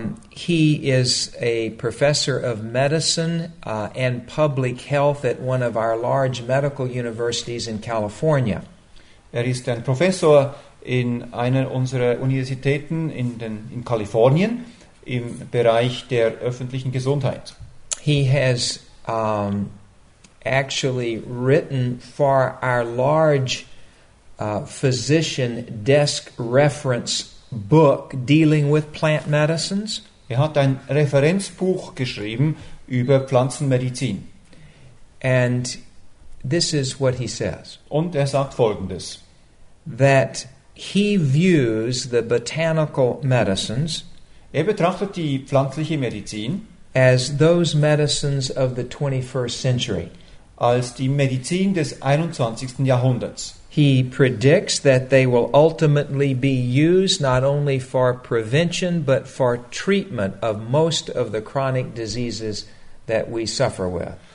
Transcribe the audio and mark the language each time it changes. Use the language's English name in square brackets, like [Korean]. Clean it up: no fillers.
[English] He is a professor of medicine and public health at one of our large medical universities in California. [German] Er ist ein Professor in einer unserer Universitäten in Kalifornien im Bereich der öffentlichen Gesundheit. [English] He has actually written for our large physician desk reference book dealing with plant medicines. [German] Er hat ein Referenzbuch geschrieben über Pflanzenmedizin. [English] And this is what he says. [German] Und er sagt Folgendes. [English] That he views the botanical medicines, [German] er betrachtet die pflanzliche Medizin, [English] as those medicines of the 21st century, [German] als die Medizin des 21. Jahrhunderts. [English] He predicts that they will ultimately be used not only for prevention but for treatment of most of the chronic diseases that we suffer with.